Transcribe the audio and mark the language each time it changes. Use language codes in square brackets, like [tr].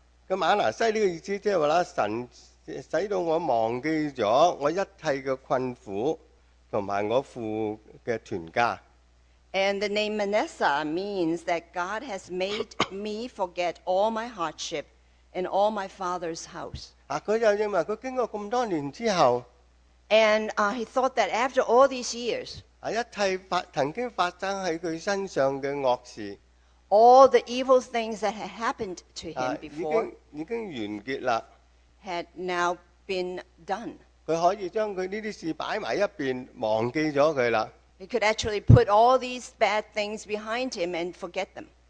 [zh] 马拿西这个意思就是说神使到我忘记了我一切的困苦和我父的团家。 [en] And the name Manasseh means that God has made me forget all my hardship in all my father's house. And he thought that after all these years, all the evil things that had happened to him before [zh] 已经完结了, [en] had now been done. [zh] 他可以将他这些事摆在一边，忘记了他了。 [en] He could actually put all these bad things behind him and forget them.